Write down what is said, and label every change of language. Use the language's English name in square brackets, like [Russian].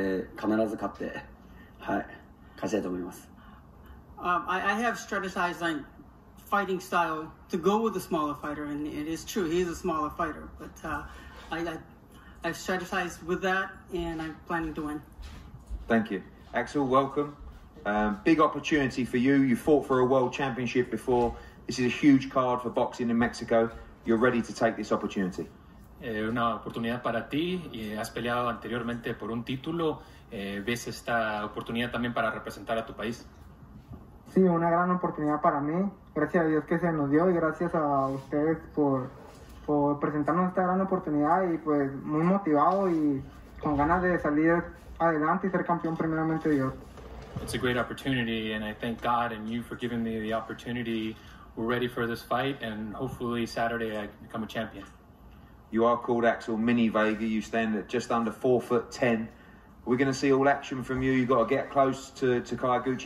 [Japanese] メキシコ人で、非常に小さな選手なんですけれども、今まで勝ったような選手だと思いますけれども、勝つ自信はありますか。そうですね。非常に小さな選手なんですけども、その小ささを生かした戦い方というか、いいファイターだと思っているので、しっかり対策も練っているので、必ず勝って、勝ちたいと思います。 [English] I have strategized on fighting style to go with a smaller fighter, and it is true, he is a smaller fighter, but I strategized with that, and I'm planning to win. Thank you. Axel, welcome. Big opportunity for you. You fought for a world championship before. This is a huge card for boxing in Mexico. You're ready to take this opportunity. [Spanish] Una oportunidad para ti. Has peleado anteriormente por un título. Ves esta oportunidad también para representar a tu país. Sí, una gran oportunidad para mí. Gracias a Dios que se nos dio y gracias a ustedes por presentarnos esta gran oportunidad y pues muy motivado y con ganas de salir adelante y ser campeón primeramente Dios. [English] It's a great opportunity and I thank God and you for giving me the opportunity. We're ready for this fight and hopefully Saturday I can become a champion. You are called Axel Mini Vega. You stand at just under 4'10". We're going to see all action from you. You've got to get close to Kyoguchi.